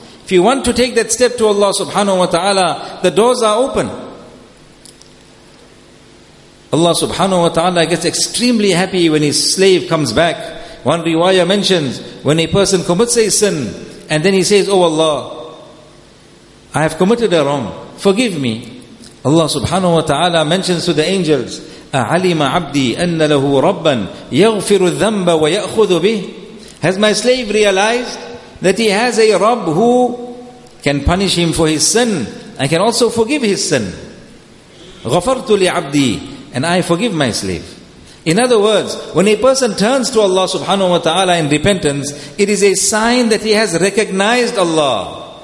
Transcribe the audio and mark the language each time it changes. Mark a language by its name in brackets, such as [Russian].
[English] If you want to take that step to Allah subhanahu wa ta'ala, the doors are open. Allah subhanahu wa ta'ala gets extremely happy when his slave comes back. One riwayah mentions, when a person commits a sin, and then he says, oh Allah, I have committed a wrong, forgive me. Allah subhanahu wa ta'ala mentions to the angels, [Arabic] أَعَلِمَ عَبْدِي أَنَّ لَهُ رَبًّا يَغْفِرُ الذَّنْبَ وَيَأْخُذُ بِهِ. [English] Has my slave realized that he has a Rabb who can punish him for his sin and can also forgive his sin? [Arabic] غَفَرْتُ لِعَبْدِي, [English] and I forgive my slave. In other words, when a person turns to Allah subhanahu wa ta'ala in repentance, it is a sign that he has recognized Allah.